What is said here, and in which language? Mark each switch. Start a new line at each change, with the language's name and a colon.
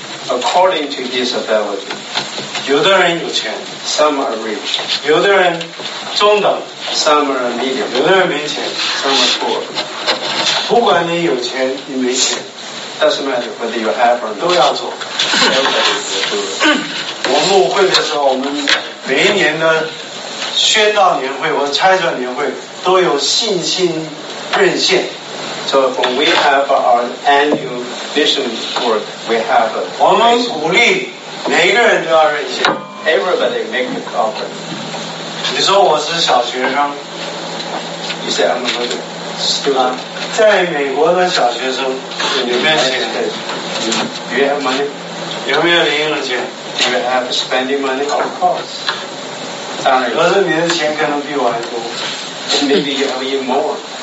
English: According to his ability.
Chinese: 有的人有钱,
English: some are rich.
Chinese: 有的人中等,
English: some are medium.
Chinese: 有的人没钱,
English: some are poor.
Chinese: 不管你有钱, 你没钱,
English: doesn't matter whether you have or not.
Chinese: 都要做,
English: everybody will do it.
Chinese: 我牧会的时候, 我们每一年的宣道年会, 我的差传年会, 都有信心任现。
English: So when we have our annual vision work, we have a
Chinese: 我们鼓励每一个人都要认识
English: Everybody make a offer.
Chinese: 你说我是小学生
English: You say I'm a little student
Chinese: 在美国的小学生
English: Do you have money?
Chinese: 有没有零用钱?
English: Do you have spending money? Of course.
Chinese: 当然有可是你的钱可能比我还多
English: Maybe you have even more